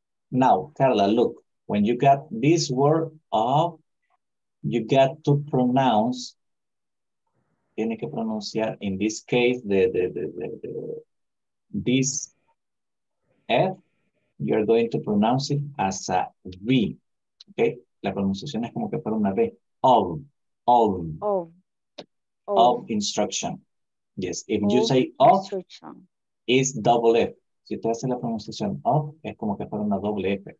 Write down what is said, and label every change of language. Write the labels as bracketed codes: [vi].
[en] Now, Carla, look, when you got this word of, you got to pronounce, [es] tiene que pronunciar, [en] in this case, the this F, you're going to pronounce it as a V, okay? [es] La pronunciación es como que fuera una V, [en] of instruction. Yes, if you say of, it's double F. [es] Si tú haces la pronunciación of, es como que fuera una doble F.